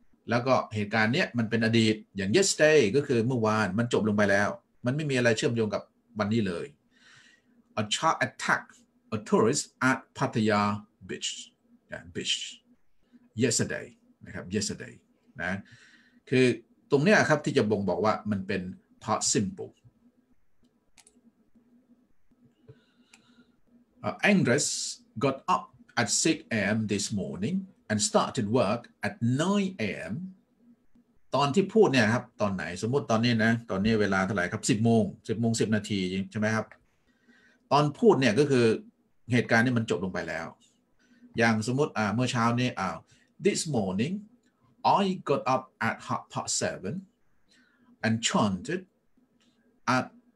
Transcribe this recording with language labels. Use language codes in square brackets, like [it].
[th] แล้วก็เหตุการณ์นี้มันเป็นอดีตอย่าง yesterday ก็คือเมื่อวานมันจบลงไปแล้วมันไม่มีอะไรเชื่อมโยงกับวันนี้เลย [en] a shark attack a tourist at Pattaya beach beach yesterday [th] นะครับ yesterdayนะคือตรงนี้ครับที่จะบ่งบอกว่ามันเป็น past simple [en] Andres got up at 6 a.m. this morning and started work at 9 a.m. [th] ตอนที่พูดเนี่ยครับตอนไหนสมมุติตอนนี้นะตอนนี้เวลาเท่าไหร่ครับ10 โมง 10 นาทีใช่ไหมครับตอนพูดเนี่ยก็คือเหตุการณ์นี้มันจบลงไปแล้วอย่างสมมุติเมื่อเช้านี้ [en] this morningI got up at 7:30 and chanted at